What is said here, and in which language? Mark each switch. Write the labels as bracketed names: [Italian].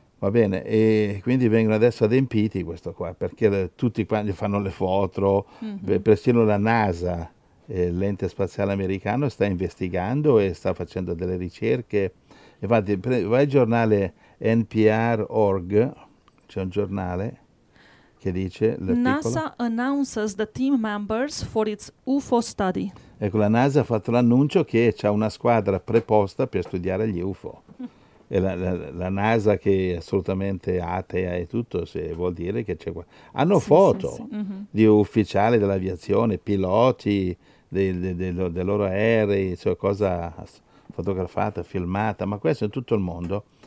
[Italian] Va bene, e quindi vengono adesso adempiti questo qua, perché tutti quanti fanno le foto, persino la NASA, l'ente spaziale americano, sta investigando e sta facendo delle ricerche. Infatti, vai al giornale NPR.org, c'è un giornale che dice l'articolo. [English] NASA announces the team members for its UFO study. [Italian] Ecco, la NASA ha fatto l'annuncio che c'ha una squadra preposta per studiare gli UFO. E la NASA, che è assolutamente atea e tutto, se vuol dire che c'è qua. Hanno foto di ufficiali dell'aviazione, piloti dei loro aerei, cioè cosa fotografata, filmata, ma questo è tutto il mondo.